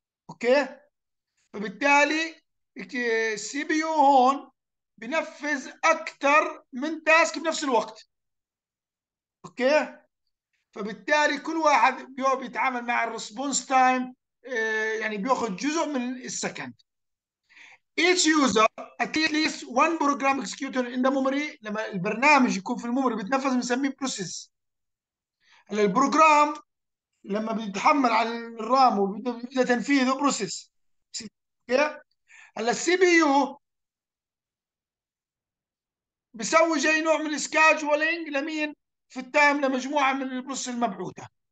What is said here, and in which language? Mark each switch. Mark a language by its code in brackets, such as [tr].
[ar] اوكي، فبالتالي السي بي يو هون بنفذ اكثر من تاسك بنفس الوقت. اوكي، فبالتالي كل واحد بيتعامل مع الريسبونس تايم، يعني بياخذ جزء من السكند. [en] Each user at least one program executed in the memory. [ar] لما البرنامج يكون في الميموري بيتنفذ بنسميه بروسيس. البروجرام لما بيتحمل على الرام وبيبدا تنفيذه بروسيس. اوكي، هلا السي بي يو بيسوي زي نوع من السكاجولينج لمين؟ في التايم لمجموعه من البروسيس المبعوثه.